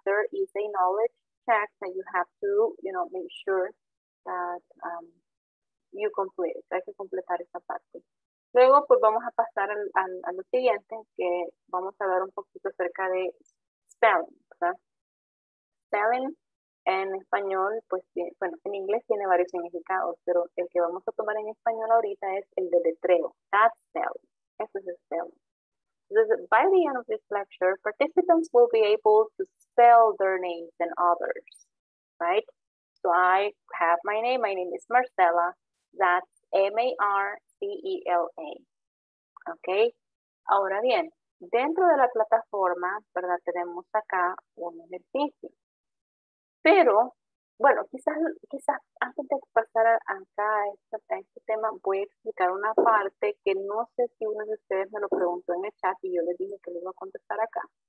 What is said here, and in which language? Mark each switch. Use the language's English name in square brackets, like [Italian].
[English] There is a knowledge check that you have to, you know, make sure that you complete. [Spanish] Hay que completar esa parte. Luego, pues vamos a pasar a lo siguiente, que vamos a ver un poquito acerca de spelling, ¿verdad? Spelling en español, pues, bueno, en inglés tiene varios significados, pero el que vamos a tomar en español ahorita es el de letreo. [English] That's spelling. [Spanish] Eso es spelling. [English] By the end of this lecture, participants will be able to spell their names and others, right? So I have my name is Marcela, that's Marcela. [Spanish] Okay, ahora bien, dentro de la plataforma, ¿verdad? Tenemos acá un ejercicio. Pero, bueno, quizás antes de pasar acá a este tema, voy a explicar una parte que no sé si uno de ustedes me lo preguntó en el chat y yo les dije que lo iba a contestar acá.